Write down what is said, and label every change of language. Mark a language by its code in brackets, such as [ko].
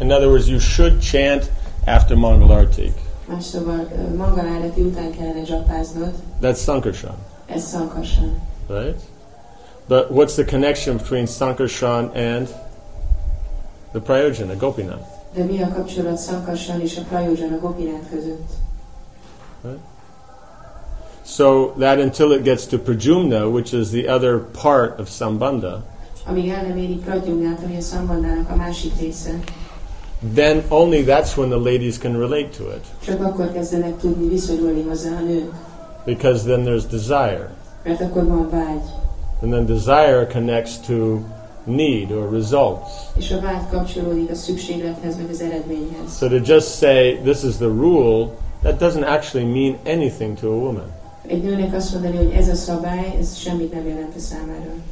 [en] In other words, you should chant after Mangala Arati. That's Sankarshan. Right? But what's the connection between Sankarshan and the Prayojana, Gopinath? [hu] De mi a kapcsolat Sankarshan és a Prayojana Gopinath között? [en] Right. So that until it gets to Prajumna, which is the other part of Sambandha, [hu] amíg el nem éri Prajumnát, ami a Sambandának a másik része, [en] then only that's when the ladies can relate to it. [hu] Csak akkor kezdenek tudni viszonyulni hozzá a nők. [en] Because then there's desire. [hu] Mert akkor van vágy. [en] And then desire connects to need or results. [hu] És a vágy kapcsolódik a szükséglethez, vagy az eredményhez. [en] So to just say this is the rule, that doesn't actually mean anything to a woman. [hu] Egy nőnek azt mondani, hogy ez a szabály, ez semmit nem jelent a számára.